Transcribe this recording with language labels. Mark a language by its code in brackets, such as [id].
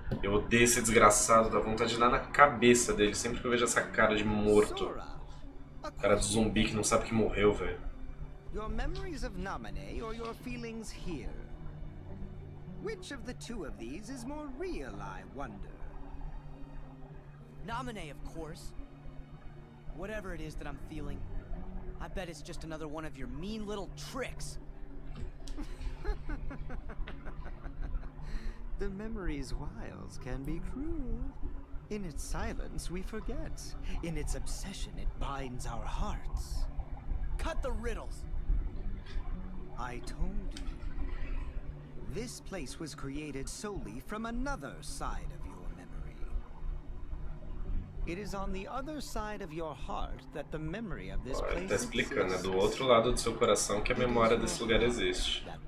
[pt] Eu odeio esse desgraçado, dá vontade de dar na cabeça dele sempre que eu vejo essa cara de morto. Cara de zumbi que não sabe que morreu, velho. [en] Your memories of Naminé or your feelings here? Which of the two of these is more real, I wonder? Nominee, of course. Whatever it is that I'm feeling, I bet it's just another one of your mean little tricks. The memory's wiles can be cruel. In its silence, we forget. In its obsession, it binds our hearts. Cut the riddles! I told you. This place was created solely from another side of you. It is on the other side of your heart that the memory of this place. [pt] Ele tá explicando, é do outro lado do seu coração que a memória desse lugar existe.